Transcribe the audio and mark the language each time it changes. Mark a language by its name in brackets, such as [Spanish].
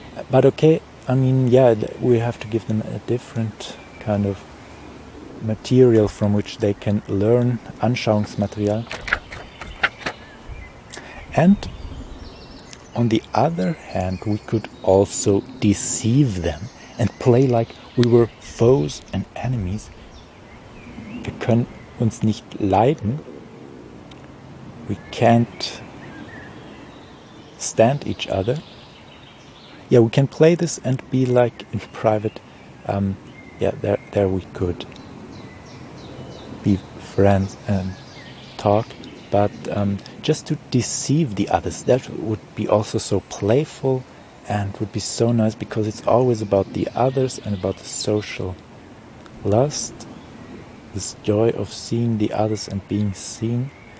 [English] But okay, I mean, yeah, we have to give them a different kind of material from which they can learn, Anschauungsmaterial. And on the other hand, we could also deceive them and play like we were foes and enemies. [German] Wir können uns nicht leiden. [English] We can't stand each other. Yeah, we can play this and be like in private. Yeah, there we could be friends and talk, but just to deceive the others, that would be also so playful and would be so nice, because it's always about the others and about the social lust, this joy of seeing the others and being seen.